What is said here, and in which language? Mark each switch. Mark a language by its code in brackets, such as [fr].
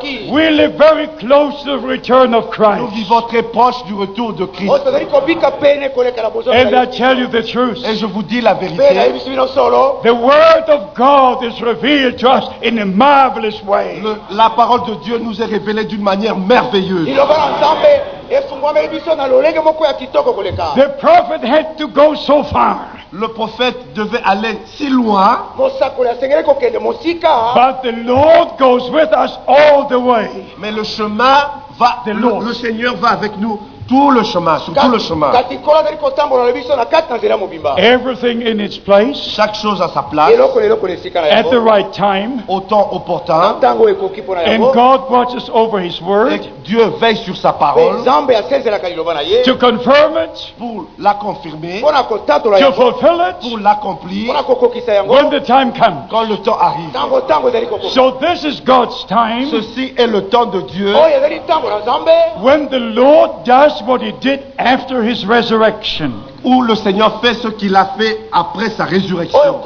[en] We live very close to the return of Christ. [fr] Nous vivons très proche du retour de Christ. [en] And I tell you the truth. [fr] Et je vous dis la vérité. [en] The word of God is revealed to us in a marvelous way. [fr] La parole de Dieu nous est révélée d'une manière merveilleuse. [en] The prophet had to go so far. [fr] Le prophète devait aller si loin. [en] But the Lord goes with us all the way. [fr] Mais le chemin va, le Seigneur va avec nous tout le chemin, sur tout le chemin. [en] Everything in its place. [fr] Chaque chose à sa place. [en] At the right time. [fr] Au temps opportun. [en] And God watches over his word. [fr] Dieu veille sur sa parole. [en] To confirm it. [fr] Pour la confirmer. [en] To fulfill it. [fr] Pour l'accomplir. [en] When the time comes. [fr] Quand le temps arrive. [en] So this is God's time. [fr] Ceci est le temps de Dieu. [en] When the Lord does what he did after his resurrection. [fr] Où le Seigneur fait ce qu'il a fait après sa résurrection.